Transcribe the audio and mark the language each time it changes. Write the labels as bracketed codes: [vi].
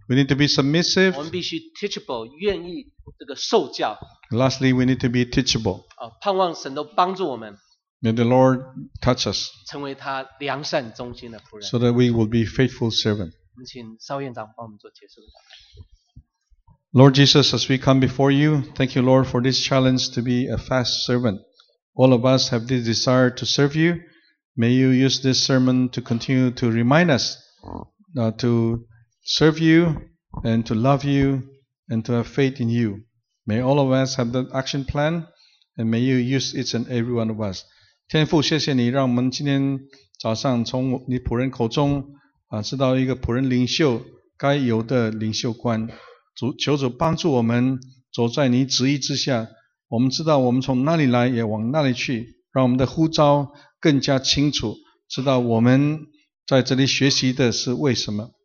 [en] We need to be submissive. [zh] 我们必须 teachable, 愿意这个受教。 [en] Lastly, we need to be teachable. [zh] 盼望神都帮助我们。 [en] May the Lord touch us. [zh] 成为他良善忠心的仆人。 [en] So that we will be faithful servant. [zh] 我们请邵院长帮我们做结束的祷告。 [en] Lord Jesus, as we come before you, thank you, Lord, for this challenge to be a fast servant. All of us have this desire to serve you. May you use this sermon to continue to remind us to serve you and to love you and to have faith in you. May all of us have that action plan and may you use each and every one of us. [zh] 天父，谢谢你让我们今天早上从你仆人口中知道一个仆人领袖该有的领袖观，求主帮助我们走在你旨意之下，我们知道我们从那里来也往那里去，让我们的呼召更加清楚，知道我们在这里学习的是为什么。